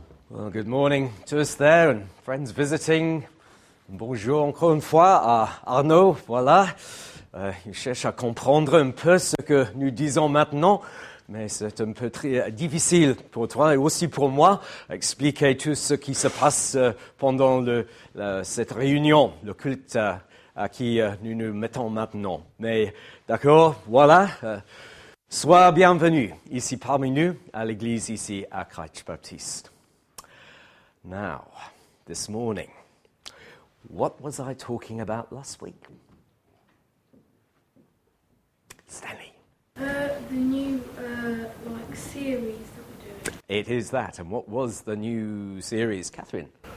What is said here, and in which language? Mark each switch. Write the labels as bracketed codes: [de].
[en] Well, good morning to us there and friends visiting. [fr] Bonjour encore une fois à Arnaud, voilà. Il cherche à comprendre un peu ce que nous disons maintenant, mais c'est un peu très difficile pour toi et aussi pour moi expliquer tout ce qui se passe pendant cette réunion, le culte à qui nous nous mettons maintenant. Mais d'accord, voilà. Sois bienvenue ici parmi nous à l'église ici à Christ Baptist. [en] Now, this morning, what was I talking about last week? Stanley. The new series that we're doing. It is that. And what was the new series, Catherine?